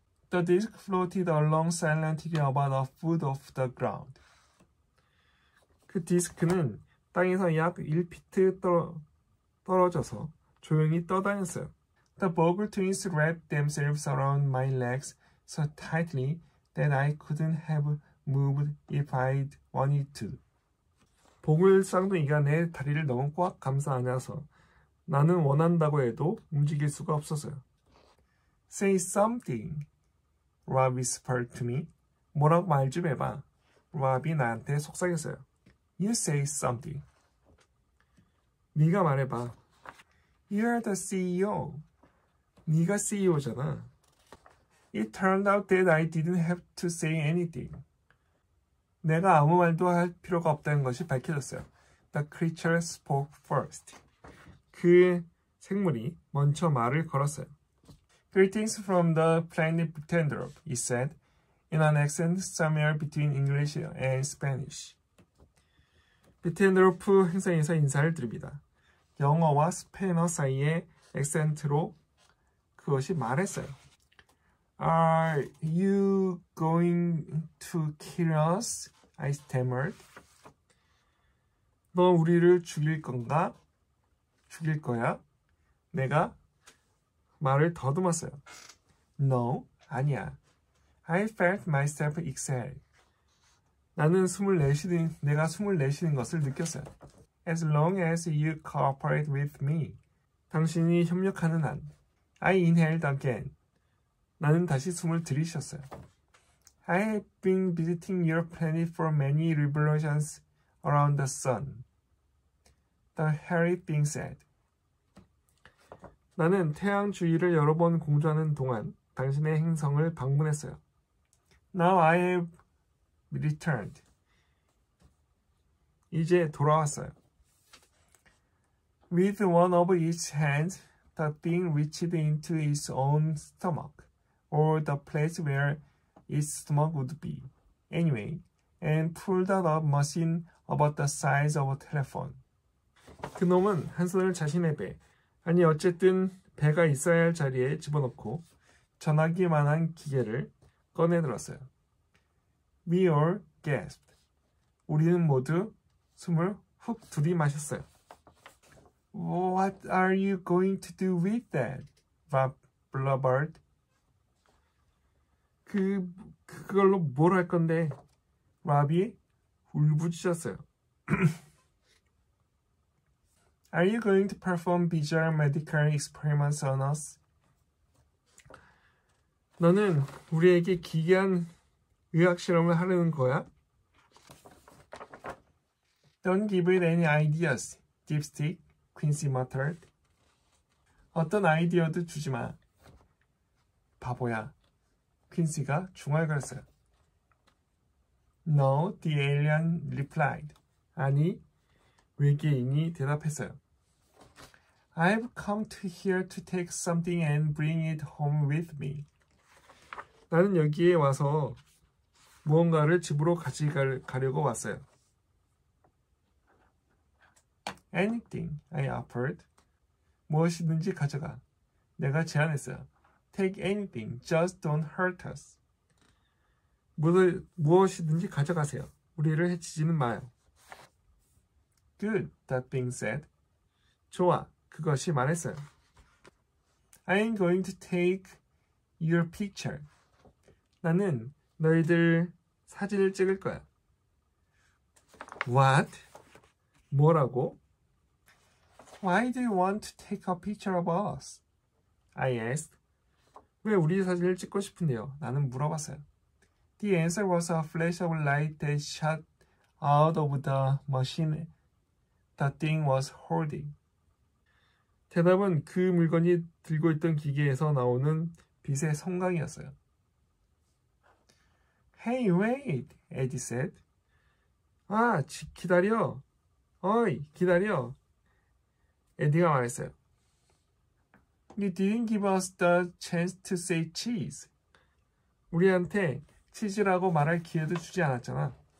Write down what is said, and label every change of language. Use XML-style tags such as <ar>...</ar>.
<en>The disc floated along silently about a foot off the ground.</en> <ko>그 디스크는 땅에서 약 1피트 떨어져서 조용히 떠다녔어요.</ko> <en>The bogle twins wrapped themselves around my legs so tightly that I couldn't have moved if I'd wanted to.</en> <ko>보글 쌍둥이가 내 다리를 너무 꽉 감싸 안아서 나는 원한다고 해도 움직일 수가 없었어요.</ko> <en>Say something, Rob whispered to me.</en> <ko>뭐라고 말 좀 해봐. Rob이 나한테 속삭였어요.</ko> <en>You say something.</en> <ko>네가 말해봐.</ko> <en>You're the CEO.</en> <ko>네가 CEO잖아.</ko> <en>It turned out that I didn't have to say anything.</en> <ko>내가 아무 말도 할 필요가 없다는 것이 밝혀졌어요.</ko> <en>The creature spoke first.</en> <ko>그 생물이 먼저 말을 걸었어요.</ko> <en>Greetings from the planet Butendrop, he said, in an accent somewhere between English and Spanish.</en> <ko>Butendrop 행성에서 인사를 드립니다. 영어와 스페인어 사이의 액센트로 그것이 말했어요.</ko> <en>Are you going to kill us? I stammered.</en> <ko>너 우리를 죽일 건가? 죽일 거야? 내가 말을 더듬었어요.</ko> <en>No,</en> <ko>아니야.</ko> <en>I felt myself exhale.</en> <ko>나는 숨을 내쉬는, 내가 숨을 내쉬는 것을 느꼈어요.</ko> <en>As long as you cooperate with me.</en> <ko>당신이 협력하는 한.</ko> <en>I inhaled again.</en> <ko>나는 다시 숨을 들이쉬었어요.</ko> <en>I have been visiting your planet for many revolutions around the sun. The hairy thing said.</en> <ko>나는 태양 주위를 여러 번 공주하는 동안 당신의 행성을 방문했어요.</ko> <en>Now I have returned.</en> <ko>이제 돌아왔어요.</ko> <en>With one of each hand, the thing reached into its own stomach, or the place where its stomach would be, anyway, and pulled out a machine about the size of a telephone.</en> <ko>그 놈은 한손을 자신의 배, 아니 어쨌든 배가 있어야 할 자리에 집어넣고 전화기만한 기계를 꺼내들었어요.</ko> <en>We all gasped.</en> <ko>우리는 모두 숨을 훅 들이마셨어요.</ko> <en>What are you going to do with that? Bob blubbered.</en> <ko>그걸로 뭘 할 건데? 로비 울부짖었어요.</ko> <en>Are you going to perform bizarre medical experiments on us?</en> <ko>너는 우리에게 기괴한 의학 실험을 하려는 거야?</ko> <en>Don't give it any ideas, dipstick. Quincy muttered.</en> <ko>어떤 아이디어도 주지 마. 바보야. 퀸시가 중얼거렸어요.</ko> <en>No, the alien replied.</en> <ko>아니, 외계인이 대답했어요.</ko> <en>I've come to here to take something and bring it home with me.</en> <ko>나는 여기에 와서 무언가를 집으로 가져가려고 왔어요.</ko> <en>Anything, I offered.</en> <ko>무엇이든지 가져가. 내가 제안했어요.</ko> <en>Take anything, just don't hurt us.</en> <ko>무엇이든지 가져가세요. 우리를 해치지는 마요.</ko> <en>Good, that thing said.</en> <ko>좋아, 그것이 말했어요.</ko> <en>I'm going to take your picture.</en> <ko>나는 너희들 사진을 찍을 거야.</ko> <en>What?</en> <ko>뭐라고?</ko> <en>Why do you want to take a picture of us? I asked.</en> <ko>왜 우리 사진을 찍고 싶은데요? 나는 물어봤어요.</ko> <en>The answer was a flash of light that shot out of the machine the thing was holding.</en> <ko>대답은 그 물건이 들고 있던 기계에서 나오는 빛의 성광이었어요.</ko> <en>Hey, wait, Eddie said.</en> <ko>아, 기다려. 어이, 기다려. 에디가 말했어요.</ko> <en>You didn't give us the chance to say cheese.</en> <ko>우리한테 치즈라고 말할 기회도 주지 않았잖아.</ko>